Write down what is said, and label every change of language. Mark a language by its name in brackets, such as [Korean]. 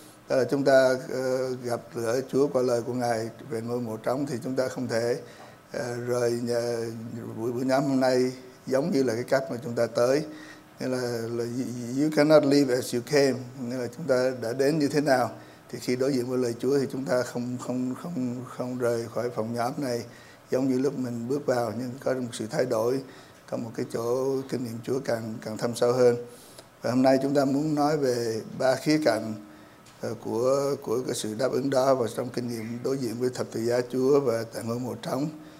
[Vietnamese] Đó là chúng ta gặp lỡ Chúa qua lời của Ngài về ngôi mộ trống thì chúng ta không thể rời buổi nhóm hôm nay giống như là cái cách mà chúng ta tới. Nên là [English] you cannot leave as you came. [Vietnamese] Nên là chúng ta đã đến như thế nào thì khi đối diện với lời Chúa thì chúng ta không rời khỏi phòng nhóm này giống như lúc mình bước vào, nhưng có một sự thay đổi, có một cái chỗ kinh nghiệm Chúa càng thâm sâu hơn. Và hôm nay chúng ta muốn nói về ba khía cạnh của cái sự đáp ứng đó và trong kinh nghiệm đối diện với thập tự giá Chúa và tại ngôi mộ trống.